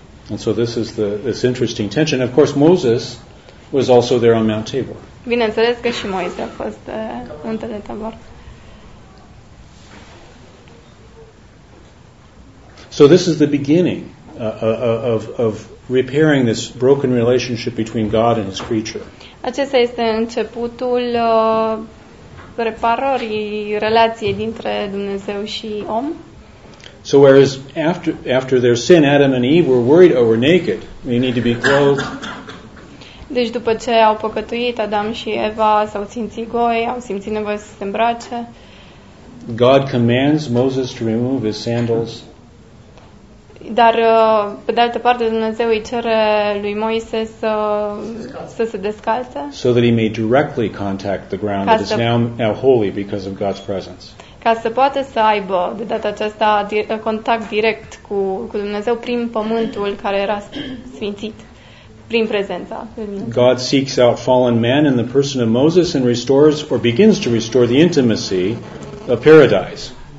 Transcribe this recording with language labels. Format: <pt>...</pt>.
<en>And so this is this interesting tension. Of course Moses was also there on Mount Tabor.</en> <ro>Bineînțeles că și Moise a fost pe muntele Tabor.</ro> <en>So this is the beginning of repairing this broken relationship between God and his creature.</en> <ro>Acesta este începutul reparării relației dintre Dumnezeu și om.</ro> <en>So whereas after their sin, Adam and Eve were worried, oh, we're naked, we need to be clothed.</en> <ro>Deci după ce au păcătuit, Adam și Eva s-au simțit goi, au simțit nevoie să se îmbrace.</ro> <en>God commands Moses to remove his sandals.</en> <ro>Dar pe de altă parte Dumnezeu îi cere lui Moise să se descalțe.</ro> <en>So that he may directly contact the ground that is now holy because of God's presence.</en> <ro>Ca să poată să aibă de data aceasta contact direct cu Dumnezeu prin pământul care era sfințit, prin prezența lui Dumnezeu.</ro> <en>God seeks out fallen man in the person of Moses and restores or begins to restore the intimacy of paradise.</en>